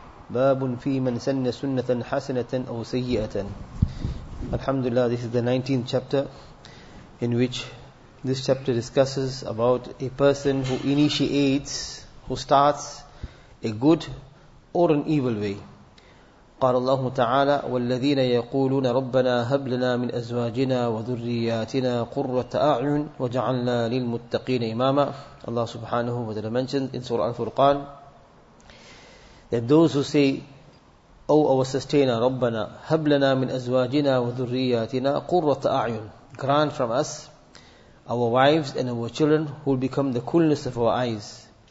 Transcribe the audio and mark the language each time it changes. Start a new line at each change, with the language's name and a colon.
Arabic: باب في من سن سنة حسنة أو سيئة.
English: الحمد لله, this is the 19th chapter in which this chapter discusses about a person who initiates, who starts a good or an evil way.
Arabic: قال الله تعالى والذين يقولون ربنا هب لنا من أزواجنا وذرياتنا قرة أعين وجعلنا للمتقين إماما.
English: Allah subhanahu wa ta'ala mentioned in Surah Al-Furqan that those who say, O our sustainer,
Arabic: رَبَّنَا هَبْ لَنَا مِنْ أَزْوَاجِنَا وَذُرِّيَّاتِنَا قُرَّةَ أَعْيُنَ,
English: grant from us our wives and our children who will become the coolness of our eyes.